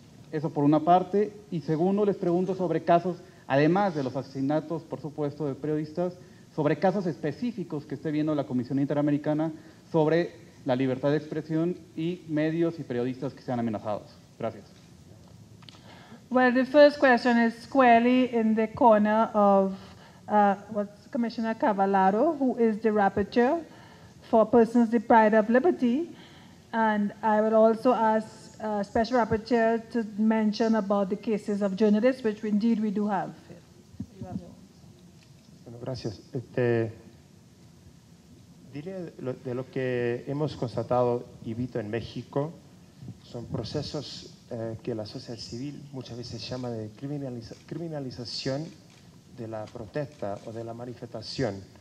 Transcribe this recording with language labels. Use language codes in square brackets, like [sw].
[es] Eso por una parte, y segundo les pregunto sobre casos, además de los asesinatos, por supuesto, de periodistas, sobre casos específicos que esté viendo la Comisión Interamericana sobre la libertad de expresión y medios y periodistas que sean amenazados. Gracias. [en] Well, the first question is squarely in the corner of what's Commissioner Cavallaro, who is the rapporteur for persons deprived of liberty. And I will also ask Special Rapporteur to mention about the cases of journalists, which indeed we do have. [es] Bueno, gracias. Diré de lo que hemos constatado y visto en México, son procesos que la sociedad civil muchas veces llama de criminalización de la protesta o de la manifestación